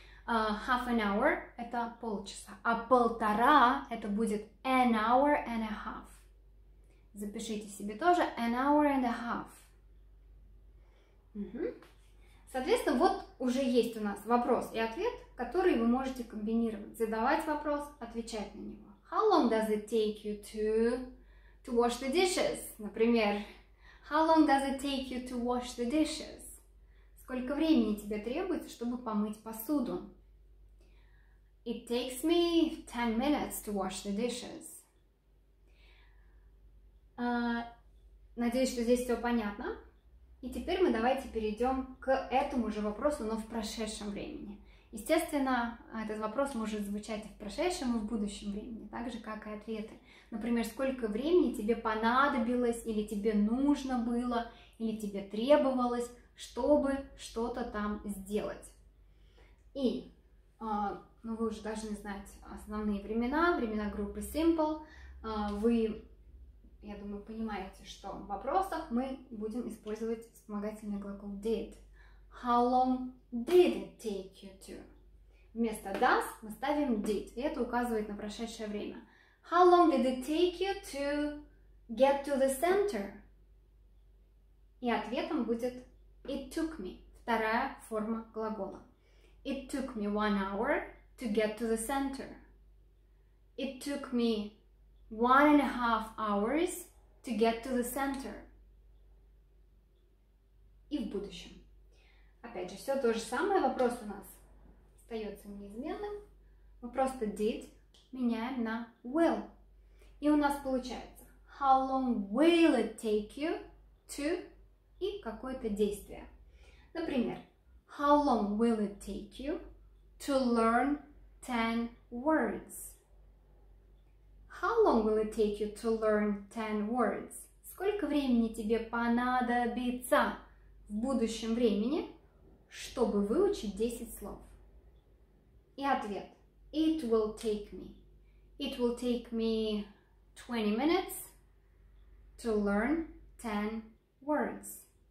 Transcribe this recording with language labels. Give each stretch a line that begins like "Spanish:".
English: Half an hour –
Russian: это полчаса, а полтора – это будет
English: an hour and a half.
Russian: Запишите себе тоже
English: an hour and a half.
Russian: Угу. Соответственно, вот уже есть у нас вопрос и ответ, который вы можете комбинировать. Задавать вопрос, отвечать на него.
English: How long does it take you to wash the dishes?
Russian: Например,
English: how long does it take you to wash the dishes?
Russian: Сколько времени тебе требуется, чтобы помыть посуду?
English: It takes me 10 minutes to wash the dishes.
Russian: Надеюсь, что здесь все понятно. И теперь мы давайте перейдем к этому же вопросу, но в прошедшем времени. Естественно, этот вопрос может звучать и в прошедшем, и в будущем времени, так же, как и ответы. Например, сколько времени тебе понадобилось, или тебе нужно было, или тебе требовалось, чтобы что-то там сделать. И, ну вы уже должны знать основные времена, времена группы Simple. Вы, я думаю, понимаете, что в вопросах мы будем использовать вспомогательный глагол did.
English: How long did it take you to?
Russian: Вместо does мы ставим did, и это указывает на прошедшее время.
English: How long did it take you to get to the center?
Russian: И ответом будет
English: it took me,
Russian: вторая форма глагола.
English: It took me 1 hour to get to the center. It took me 1.5 hours to get to the center.
Russian: И в будущем. Опять же, все то же самое, вопрос у нас остается неизменным. Мы просто did меняем на will. И у нас получается,
English: how long will it take you to
Russian: и какое-то действие. Например,
English: how long will it take you to learn 10 words? How long will it take you to learn 10 words?
Russian: Сколько времени тебе понадобится в будущем времени, чтобы выучить 10 слов? И ответ.
English: It will take me. It will take me 20 minutes to learn 10 words.